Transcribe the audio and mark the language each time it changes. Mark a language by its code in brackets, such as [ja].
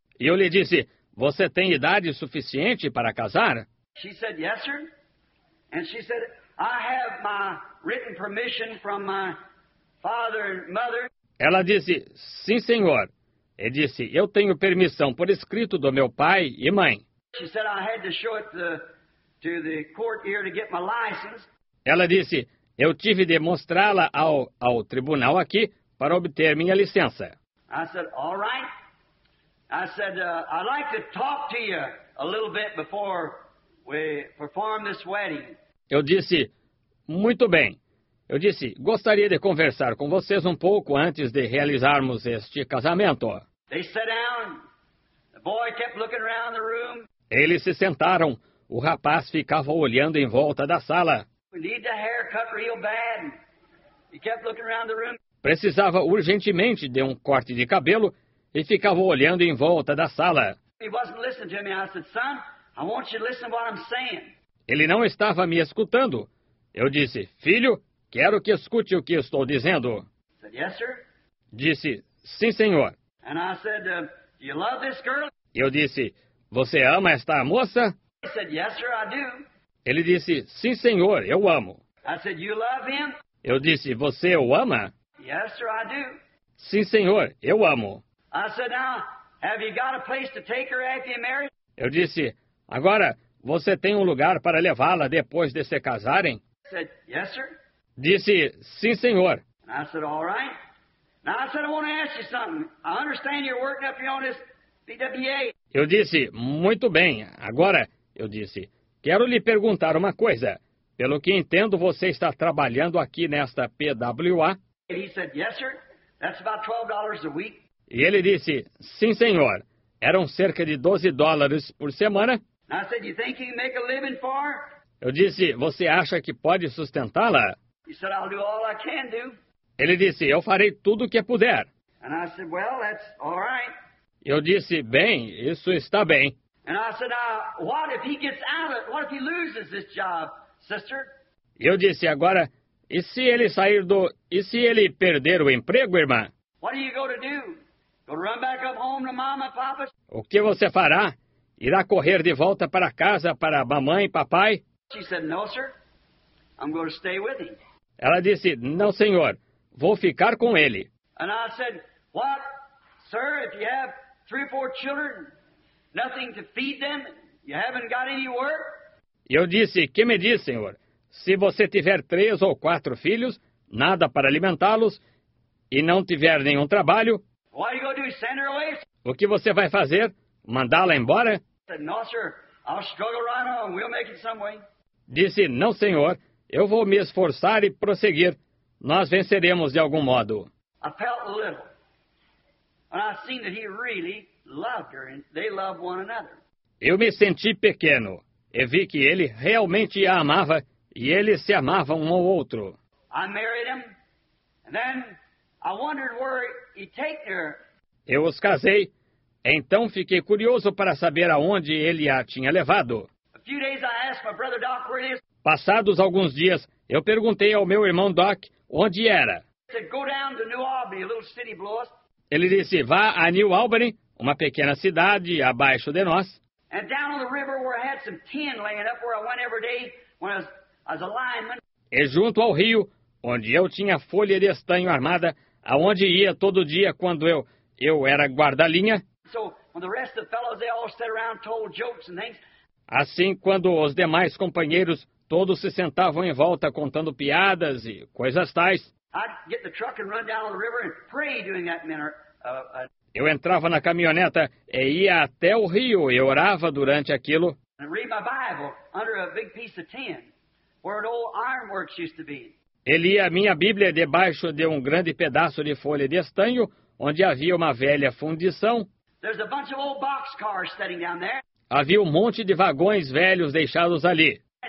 [pt] Eu lhe disse, você tem idade suficiente para casar? [en] She said, yes, sir. And she said, I have my written permission from my father and mother. [pt] Ela disse, sim, senhor. E disse, eu tenho permissão por escrito do meu pai e mãe. [en] She said, I had to show it to the court here to get my license. [pt] Ela disse, eu tive de mostrá-la ao tribunal aqui para obter minha licença. [en] I said, all right. I said, I'd like to talk to you a little bit before we perform this wedding. [pt] Eu disse, muito bem. Eu disse, gostaria de conversar com vocês um pouco antes de realizarmos este casamento. [en] They sat down. The boy kept looking around the room. [pt] Eles se sentaram. O rapaz ficava olhando em volta da sala. [en] We need the hair cut real bad. He kept looking around the room. [pt] Precisava urgentemente de um corte de cabelo e ficava olhando em volta da sala. [en] He wasn't listening to me. I said, son, I want you to listen to what I'm saying. [pt] Ele não estava me escutando. Eu disse, filho, quero que escute o que estou dizendo. [en] Said, yes, sir. [pt] Disse, sim, senhor. [en] And I said, do you love this girl? [pt] Eu disse, você ama esta moça? [en] He said, yes, sir, I do. [pt] Ele disse, sim, senhor, eu amo. [en] I said, you love him? [pt] Eu disse, você o ama? [en] Yes, sir, I do. [pt] Sim, senhor, eu amo. [en] I said, now, have you got a place to take her after you marry? [pt] Eu disse, agora, você tem um lugar para levá-la depois de se casarem? [en] I said, yes, sir. [pt] Disse, sim, senhor. [en] And I said, all right. Now, I said, I want to ask you something. I understand you're working up here on this BWA. [pt] Eu disse, muito bem. Agora, eu disse, quero lhe perguntar uma coisa. Pelo que entendo, você está trabalhando aqui nesta PWA. [en] He said, yes, sir. That's about $12 a week. [pt] E ele disse, sim, senhor. Eram cerca de $12 por semana. [en] And I said, you think you can make a living for her? [pt] Eu disse, você acha que pode sustentá-la? [en] He said, I'll do all I can do. [pt] Ele disse, eu farei tudo o que puder. [en] And I said, well, that's all right. [pt] Eu disse, bem, isso está bem. [en] And I said, what if he gets out of it? What if he loses this job, sister? [pt] Eu disse, agora, e se ele sair do... E se ele perder o emprego, irmã? [en] What are you going to do? Go run back up home to mama and papa? [pt] O que você fará? Irá correr de volta para casa para mamãe e papai? [en] She said, no, sir. I'm going to stay with him. [pt] Ela disse, não, senhor. Vou ficar com ele. [en] And I said, what, sir, if you have 3 or 4 children, nothing to feed them, you haven't got any work? [pt] Eu disse, que me diz, senhor? Se você tiver 3 ou 4 filhos, nada para alimentá-los, e não tiver nenhum trabalho, [en] what are you going to do, send her away? [pt] O que você vai fazer? Mandá-la embora? [en] No, sir. I'll struggle right on. We'll make it some way. [pt] Disse, não, senhor. Eu vou me esforçar e prosseguir. Nós venceremos de algum modo. [en] I felt a little. And I seen that he really loved her and they loved one another. [pt] Eu me senti pequeno e vi que ele realmente a amava e eles se amavam um ao outro. [en] I married him. And then I wondered where he'd take her. [pt] Eu os casei. Então fiquei curioso para saber aonde ele a tinha levado. [en] A few days I asked my brother Doc where it is. [pt] Passados alguns dias, eu perguntei ao meu irmão Doc onde era. [en] He said, go down to New Albany, a little city below us. [pt] Ele disse, vá a New Albany, uma pequena cidade abaixo de nós. [en] And down on the river where I had some tin laying up where I went every day when I was a lineman. [pt] E junto ao rio, onde eu tinha folha de estanho armada, aonde ia todo dia quando eu era guarda-linha. [en] So, when the rest of the fellows, they all sat around and told jokes and things. [pt] Assim, quando os demais companheiros todos se sentavam em volta contando piadas e coisas tais. [en] I'd get the truck and run down the river and pray during that minute. [pt] Eu entrava na caminhoneta e ia até o rio e orava durante aquilo. [en] And read my Bible under a big piece of tin, where an old ironworks used to be. [pt] Ele ia a minha Bíblia debaixo de um grande pedaço de folha de estanho, onde havia uma velha fundição. [en] There's a bunch of old boxcars sitting down there. [pt] Havia um monte de vagões velhos deixados ali.